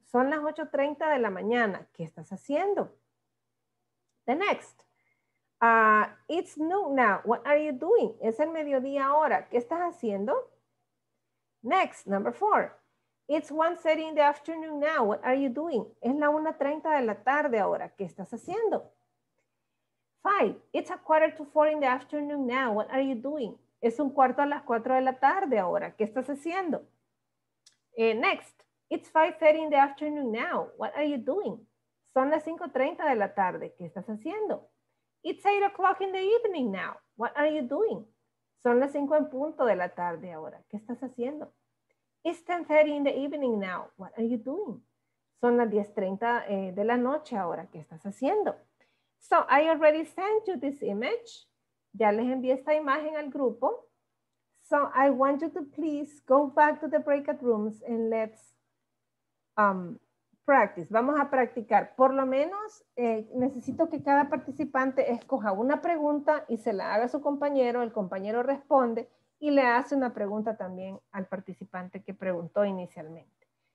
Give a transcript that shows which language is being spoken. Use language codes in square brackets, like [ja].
[es] Son las 8:30 de la mañana. ¿Qué estás haciendo? [en] The next, it's noon now, what are you doing? [es] Es el mediodía ahora, ¿qué estás haciendo? [en] Next, number 4, it's 1:30 in the afternoon now, what are you doing? [es] Es la 1:30 de la tarde ahora, ¿qué estás haciendo? [en] 5, it's 4:15 in the afternoon now, what are you doing? [es] Es un cuarto a las 4 de la tarde ahora, ¿qué estás haciendo? [en] Next, it's 5:30 in the afternoon now, what are you doing? [es] Son las 5:30 de la tarde. ¿Qué estás haciendo? [en] It's 8 o'clock in the evening now. What are you doing? [es] Son las 5 en punto de la tarde ahora. ¿Qué estás haciendo? [en] It's 10:30 in the evening now. What are you doing? [es] Son las 10:30 de la noche ahora. ¿Qué estás haciendo? [en] So I already sent you this image. [es] Ya les envié esta imagen al grupo. [en] So I want you to please go back to the breakout rooms and let's practice. [es] Vamos a practicar. Por lo menos necesito que cada participante escoja una pregunta y se la haga a su compañero. El compañero responde y le hace una pregunta también al participante que preguntó inicialmente.